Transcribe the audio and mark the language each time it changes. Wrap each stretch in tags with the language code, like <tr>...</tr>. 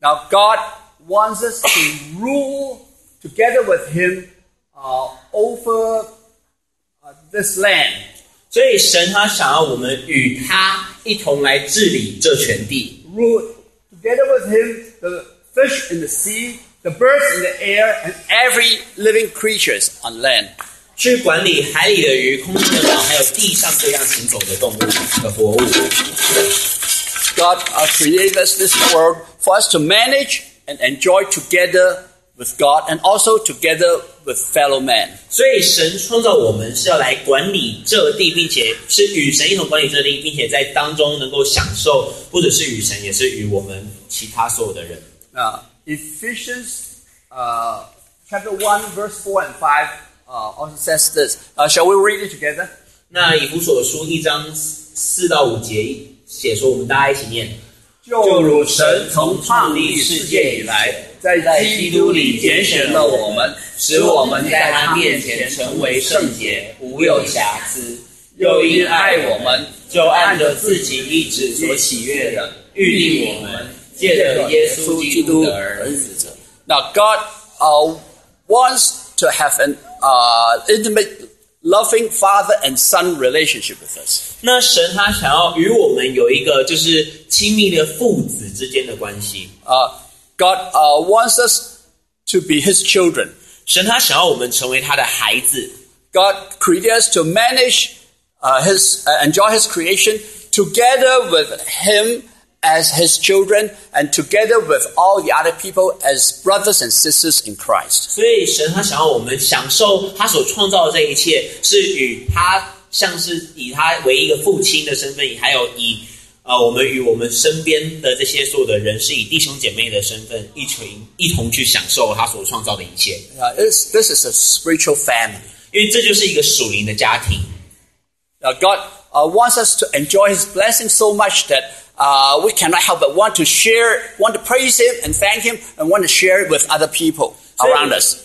<en>Now God wants us to rule together with Him, over this land.</en> <zh>所以神他想要我们与他一同来治理这全地.</zh> <en>Rule together with Him the fish in the sea, the birds in the air, and every living creature on land.</en> <zh>去管理海里的鱼，空中的鸟，还有地上各样行走的动物的活物.</zh> <en>God created us this world for us to manage and enjoy together with God and also together with fellow man.</en> <zh>所以神创造我们是要来管理这地，并且是与神一同管理这地，并且在当中能够享受，不只是与神，也是与我们其他所有的人.</zh> <en>Ephesians chapter 1, verse 4 and 5 also says this. Shall we read it together?</en> <zh>那以弗所书一章四到五节写说，我们大家一起念。就如神从创立世界以来，在基督里拣选了我们，使我们在他面前成为圣洁，无有瑕疵。又因爱我们，就按着自己意志所喜悦的，预定我们借着耶稣基督的儿子。</zh> <en>Now God wants to have an intimate, loving father and son relationship with us.</en> <zh>那神他想要与我们有一个就是亲密的父子之间的关系。</zh> <en>God wants us to be His children.</en> <zh>神他想要我们成为他的孩子。</zh> <en>God created us to manage enjoy His creation together with Him. As his children, and together with all the other people as brothers and sisters in Christ.</en> <zh>所以神他想要我们享受他所创造的这一切，是与他像是以他为一个父亲的身份，还有以我们与我们身边的这些所有的人，是以弟兄姐妹的身份一同去享受他所创造的一切。</zh> <en>This is a spiritual family.</en> <zh>因为这就是一个属灵的家庭。</zh> <en>God wants us to enjoy His blessing so much that. We cannot help but want to share, want to praise Him and thank Him, and want to share it with other people around us.</en>